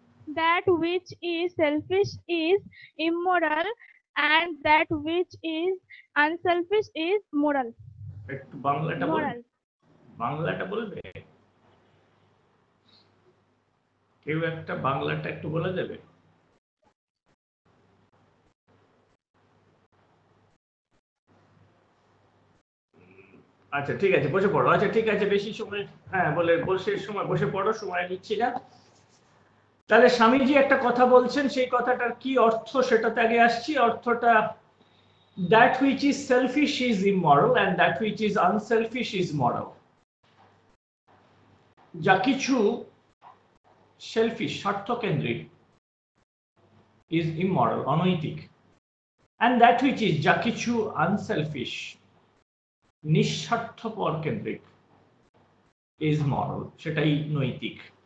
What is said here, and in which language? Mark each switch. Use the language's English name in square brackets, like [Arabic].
[English] that which is selfish is immoral and that which is unselfish is moral [Bangla] একটু বাংলাটা বল, [English] moral [Bangla] বাংলাটা বলবে কেউ, একটা বাংলাটা একটু বলে দেবে? আচ্ছা ঠিক আছে, বসে পড়ো। আচ্ছা ঠিক আছে, বেশি সময়, হ্যাঁ বলে বসে সময় বসে পড়ো, সময় নিচ্ছি না। তাহলে স্বামীজি একটা কথা বলছেন, সেই কথাটার কি অর্থ সেটা তো আগে আসছি। [English] অর্থটা, that which is selfish is immoral and that which is unselfish is moral. [Bangla] যা কিছু selfish, স্বার্থকেন্দ্রিক, [English] is immoral, [Bangla] অনৈতিক, [English] and that which is, [Bangla] যা কিছু unselfish, নিঃস্বার্থপর কেন্দ্রিক, [English] is moral, [Bangla] সেটাই নৈতিক।